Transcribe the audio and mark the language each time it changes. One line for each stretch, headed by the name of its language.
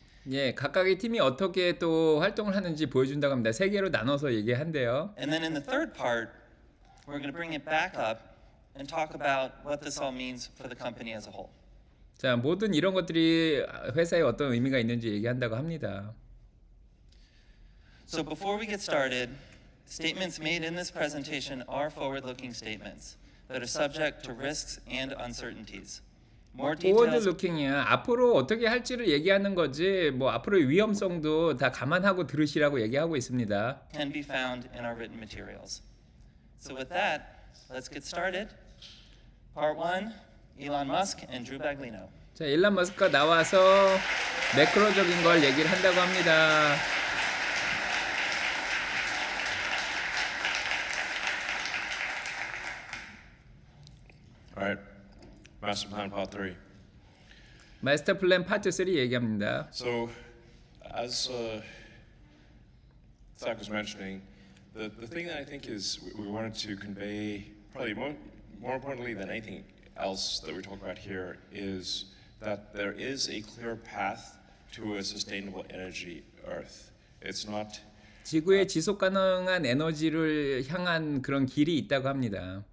Korean: 예, 각각의 팀이 어떻게 또 활동을 하는지 보여준다고 합니다. 세 개로 나눠서 얘기한대요.
English: And then in the third part, we're going to bring it back up and talk about what this all means for the company as a whole.
Korean: 자, 모든 이런 것들이 회사에 어떤 의미가 있는지 얘기한다고 합니다.
English: So before we get started, statements made in this presentation are forward-looking statements that are subject to risks and uncertainties. More details. Forward-looking이야.
Korean: 앞으로 어떻게 할지를 얘기하는 거지. 뭐 앞으로의 위험성도 다 감안하고 들으시라고 얘기하고 있습니다.
English: Can be found in our written materials. So with that, let's get started. Part one: Elon Musk and Drew Baglino.
Korean: 자, 일론 머스크가 나와서 매크로적인 걸 얘기를 한다고 합니다.
English: Master Plan Part 3.
Korean: Master Plan Part 3 얘기합니다.
English: So, as Zach was mentioning, the thing that I think is we wanted to convey, probably more importantly than anything else that we talk about here, is that there is a clear path to a sustainable energy Earth. It's not
Korean: 지구의 지속 가능한 에너지를 향한 그런 길이 있다고 합니다.